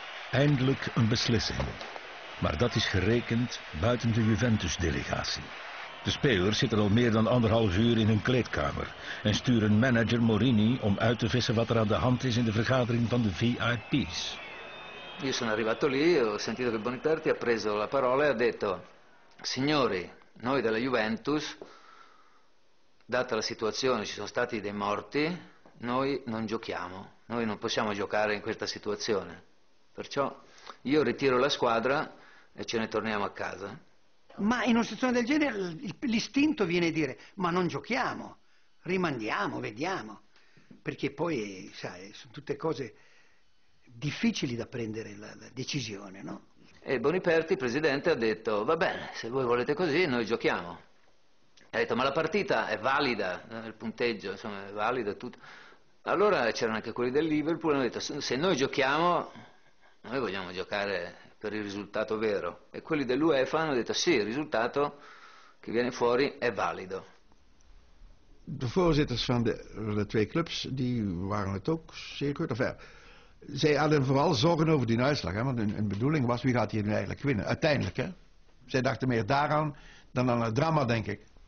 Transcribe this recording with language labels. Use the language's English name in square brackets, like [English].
[Dutch] Eindelijk een beslissing. Maar dat is gerekend buiten de Juventus-delegatie. De spelers zitten al meer dan anderhalf uur in hun kleedkamer en sturen manager Morini om uit te vissen wat er aan de hand is in de vergadering van de VIP's. [Italian] Io sono arrivato lì, ho sentito che Boniperti ha preso la parola e ha detto: signori, noi della Juventus, data la situazione, ci sono stati dei morti, noi non giochiamo, noi non possiamo giocare in questa situazione. Perciò io ritiro la squadra e ce ne torniamo a casa. Ma in una situazione del genere l'istinto viene a dire: ma non giochiamo, rimandiamo, vediamo. Perché poi, sai, sono tutte cose difficili da prendere la decisione, no? E Boniperti, presidente, ha detto: va bene, se voi volete così, noi giochiamo. E ha detto, ma la partita è valida, il punteggio, insomma, è valido tutto. Allora c'erano anche quelli del Liverpool, hanno detto, se noi giochiamo, noi vogliamo giocare per il risultato vero. E quelli dell'UEFA hanno detto, sì, il risultato che viene fuori è valido. [Dutch] De voorzitters van de twee clubs, die waren het ook zeer goed. Of ja, zij hadden vooral zorgen over die uitslag. Hè, want hun bedoeling was, wie gaat hier nu eigenlijk winnen? Uiteindelijk, hè. Zij dachten meer daaraan dan aan het drama, denk ik.